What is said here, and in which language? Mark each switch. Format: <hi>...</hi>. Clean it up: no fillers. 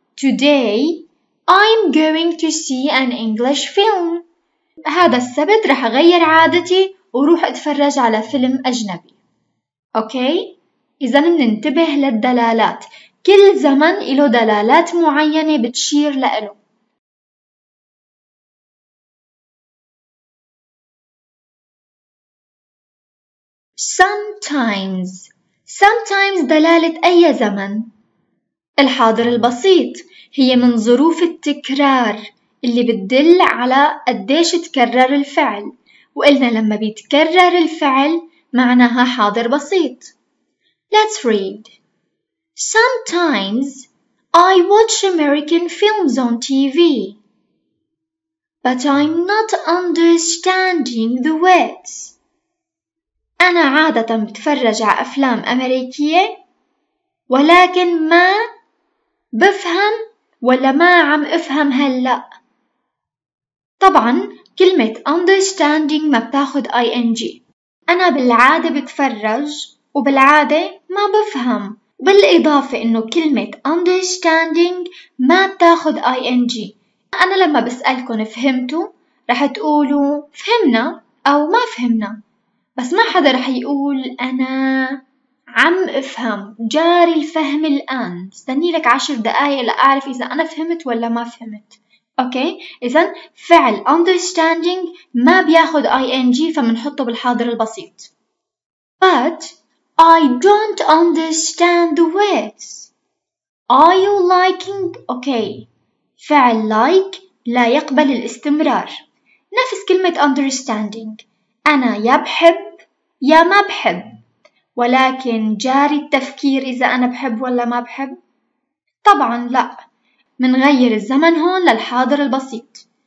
<en>Today I'm going to see an English film.</en> <ar>هذا السبت رح أغير عادتي وروح أتفرج على فيلم أجنبي. أوكي؟ إذا مننتبه للدلالات، كل زمن له دلالات معينة بتشير لإله.</ar> <en>Sometimes.</en> <ar>Sometimes دلالة أي زمن؟ الحاضر البسيط، هي من ظروف التكرار اللي بتدل على قديش تكرر الفعل، وقلنا لما بيتكرر الفعل معناها حاضر بسيط.</ar> <en>Let's read. Sometimes I watch American films on TV, but I'm not understanding the words.</en> <ar>أنا عادة بتفرج على أفلام أمريكية، ولكن ما بفهم ولا ما عم أفهم هلأ. طبعاً كلمة understanding ما بتاخد ing. أنا بالعادة بتفرج وبالعادة ما بفهم، بالإضافة إنه كلمة understanding ما بتاخد ing. أنا لما بسألكن فهمتوا رح تقولوا فهمنا أو ما فهمنا، بس ما حدا رح يقول أنا عم أفهم. جاري الفهم الآن، استني لك 10 دقايق لأعرف إذا أنا فهمت ولا ما فهمت. أوكي، إذا فعل understanding ما بياخد ing فمنحطه بالحاضر البسيط.</ar> <en>But I don't understand the words. Are you liking?</en> <ar>أوكي، فعل like لا يقبل الاستمرار، نفس كلمة understanding. أنا يا بحب يا ما بحب، ولكن جاري التفكير إذا أنا بحب ولا ما بحب؟ طبعاً لا، منغير الزمن هون للحاضر البسيط.</ar>